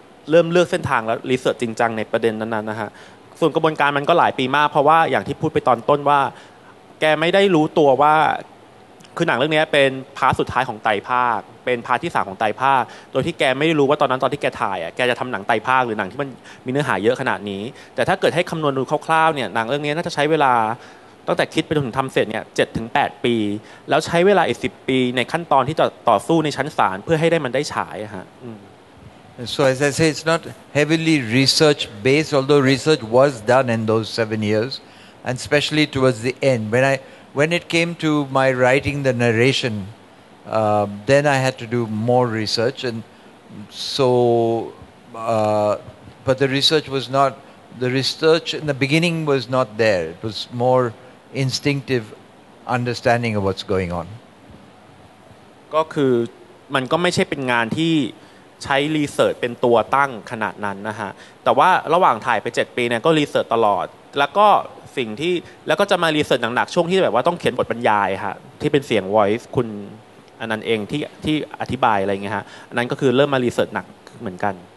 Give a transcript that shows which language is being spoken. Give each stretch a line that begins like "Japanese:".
Thai: เริ่มเลือกเส้นทางและรีเสิร์ชจริงจังในประเด็นนั้นๆนะฮะส่วนกระบวนการมันก็หลายปีมากเพราะว่าอย่างที่พูดไปตอนต้นว่าแกไม่ได้รู้ตัวว่าคือหนังเรื่องนี้เป็นพาร์ทสุดท้ายของไตรภาคเป็นพาร์ทที่3ของไตรภาคโดยที่แกไม่ได้รู้ว่าตอนนั้นตอนที่แกถ่ายอ่ะแกจะทำหนังไตรภาคหรือหนังที่มันมีเนื้อหาเยอะขนาดนี้แต่ถ้าเกิดให้คำนวณดูคร่าวๆเนี่ยหนังเรื่องนี้น่าจะใช้เวลาตั้งแต่คิดไปจนถึงทำเสร็จเนี่ย 7-8 ปีแล้วใช้เวลาอีก10ปีในขั้นตอนที่จะต่อสู้ในชั้นศาลเพื่อให้ได้มันได้ฉายฮะ
English: So as I say it's not heavily research based although research was done in those 7 years and especially towards the end when it came to my writing the narration then I had to do more research and so but the research was not the research in the beginning was not there it was more instinctive understanding of what's going on
Thai: ก็คือมันก็ไม่ใช่เป็นงานที่ใช้รีเสิร์ชเป็นตัวตั้งขนาดนั้นนะฮะแต่ว่าระหว่างถ่ายไป7ปีเนี่ยก็รีเสิร์ชตลอดแล้วก็สิ่งที่แล้วก็จะมารีเสิร์ชหนักๆช่วงที่แบบว่าต้องเขียนบทบรรยายฮะที่เป็นเสียง voice คุณอนันต์เองที่อธิบายอะไรเงี้ยฮะอันนั้นก็คือเริ่มมารีเสิร์ชหนักเหมือนกัน